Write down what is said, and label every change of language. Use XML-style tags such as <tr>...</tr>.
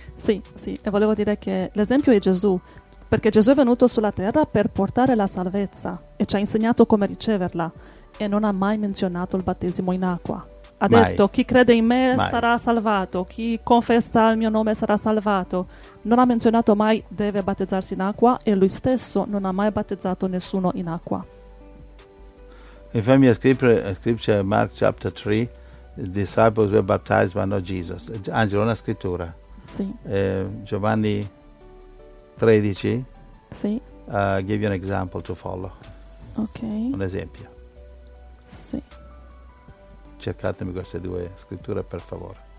<it>Sì, e volevo dire che l'esempio è Gesù. perché Gesù è venuto sulla terra per portare la salvezza e ci ha insegnato come riceverla e non ha mai menzionato il battesimo in acqua. Ha detto: chi crede in me sarà salvato, chi confessa il mio nome sarà salvato. Non ha menzionato mai deve battezzarsi in acqua e lui stesso non ha mai battezzato nessuno in acqua. E fammi scrivere</it> <en>Mark chapter 3, the disciples were baptized by not Jesus.</en> <it>Angelo, una scrittura. Sì. Giovanni 13. Sì.</it> <en>Give you an example to follow. Ok.</en> <it>Un esempio. Sì. Cercatemi queste due scritture, per favore.</it>